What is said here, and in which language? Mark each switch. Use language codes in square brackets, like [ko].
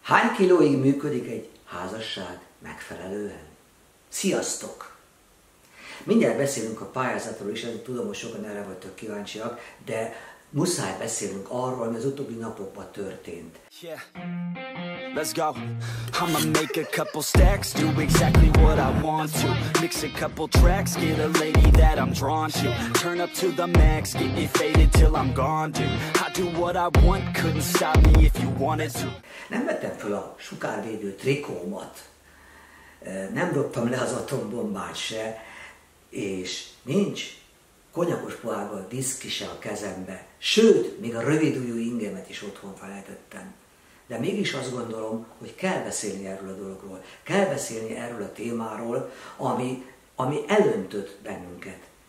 [hu] Hány kilóig működik egy házasság megfelelően? Sziasztok! Mindjárt beszélünk a pályázatról is, ezért tudom, hogy sokan erre vagytok kíváncsiak, de muszáj beszélünk arról, ami az utóbbi napokban történt. [en] Yeah. Let's go. I'ma make a couple stacks, do exactly what I want to. Mix a couple tracks, get a lady that I'm drawn to. Turn up to the max, get me faded till I'm gone, dude. I do what I want, couldn't stop me if you wanted to. [hu] Nem vettem fel a sugárvédő trikómat, nem roptam le az atombombát se, és nincs konyakos pohárba a diszki se a kezembe, sőt, még a rövidújú ingemet is otthon felejtettem. De mégis azt gondolom, hogy kell beszélni erről a dologról, kell beszélni erről a témáról, ami elöntött bennünket.